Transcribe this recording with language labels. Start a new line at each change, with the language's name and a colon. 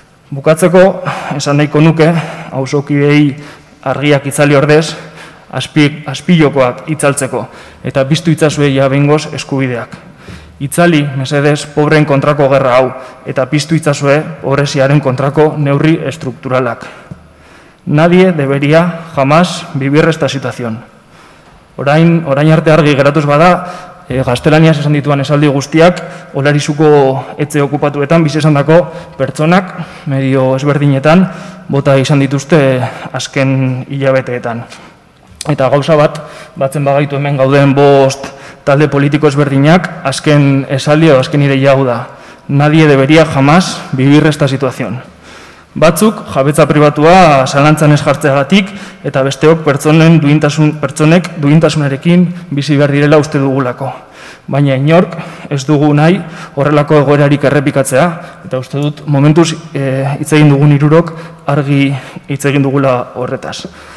Basque: Bukatzeko, esan nahiko nuke, auzokideei argiak itzali ordez, azpilokoak itzaltzeko, eta biztu itzazuei behingoz eskubideak. Itzali, mesedez, pobreen kontrako gerra hau, eta piztu itzazue pobreziaren kontrako neurri estrukturalak.
Spanish: Nadie deberia jamás vivir esta situación.
Basque: Orain arte argi geratuz bada, gaztelaniaz esan dituan esaldi guztiak, Olarizuko etxe okupatuetan bizi esan dako pertsonak, medio ezberdinetan, bota izan dituzte azken hilabeteetan. Eta gauza bat, batzen bagaitu hemen gauden bost talde politiko ezberdinak, azken esaldi edo azken ideia hau da.
Spanish: Nadie deberia jamás vivir esta situación.
Basque: Batzuk, jabetza pribatua zalantzan ez jartzeagatik, eta besteok pertsonek duintasunarekin bizi behar direla uste dugulako. Baina inork, ez dugu nahi horrelako egoerarik errepikatzea, eta uste dut momentuz hitz egin dugun hirurok argi hitz egin dugula horretaz.